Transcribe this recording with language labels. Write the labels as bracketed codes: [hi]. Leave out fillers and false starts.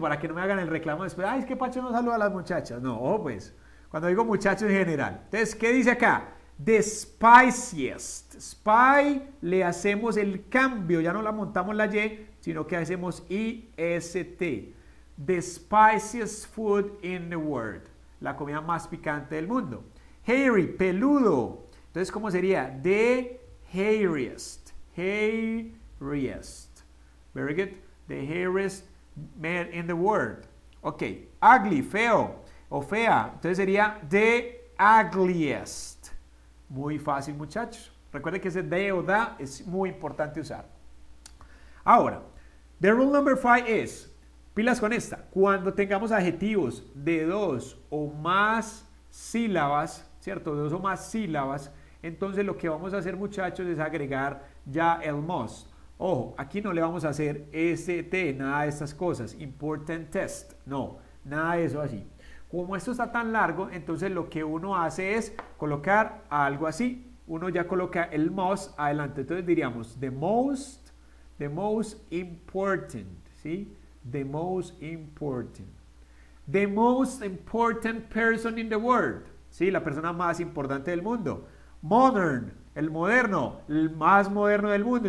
[es] Para que no me hagan el reclamo después. Ay, es que Pacho no saluda a las muchachas. No, oh, pues, cuando digo muchachos en general. Entonces, ¿qué dice acá? [en] The spiciest. [es] Spy, le hacemos el cambio. Ya no la montamos la Y, sino que hacemos IST. [en] The spiciest food in the world. [es] La comida más picante del mundo. Hairy, peludo. Entonces, ¿cómo sería? [en] The hairiest. Hairiest. Very good. The hairiest man in the world. [es] Ok. [en] Ugly, [es] feo o fea. Entonces sería [en] the ugliest. [es] Muy fácil, muchachos. Recuerden que ese de o da es muy importante usar. Ahora, [en] the rule number five [es] es. Pilas con esta. Cuando tengamos adjetivos de dos o más sílabas, ¿cierto? Dos o más sílabas, entonces lo que vamos a hacer, muchachos, es agregar ya el must. Ojo, aquí no le vamos a hacer ST, nada de estas cosas. [en] Important test. [es] No, nada de eso así. Como esto está tan largo, entonces lo que uno hace es colocar algo así. Uno ya coloca el must adelante. Entonces diríamos, [en] the most important, [es] ¿sí? [en] The most important. The most important person in the world. [es] Sí, la persona más importante del mundo. [en] Modern, [es] el moderno, el más moderno del mundo.